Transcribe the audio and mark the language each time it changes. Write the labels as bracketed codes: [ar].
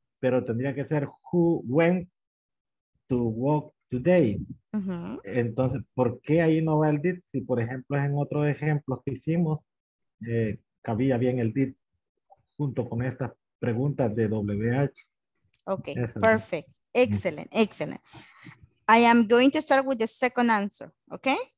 [es] Pero tendría que ser, [en] who went to work today. Uh-huh. [es] Entonces, ¿por qué ahí no va el did? Si, por ejemplo, en otros ejemplos que hicimos, cabía bien el did junto con estas preguntas de WH. [en] Okay, perfect. Excellent, excellent. I am going to start with the second answer, okay?